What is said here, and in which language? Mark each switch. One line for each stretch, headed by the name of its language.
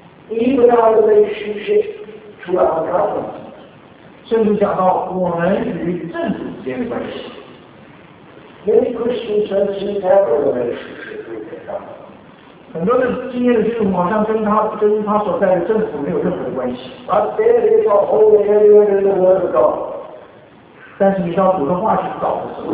English: Even our relationship to our government，
Chinese: 甚至讲到我们与政府之间的关系。
English: Many Christian churches have a relationship with the government。
Chinese: 很多的经验的基础好像跟他所在的政府没有任何的关系。
English: But there is a whole area in the Word of God。
Chinese: 但是你到主的话去找的时候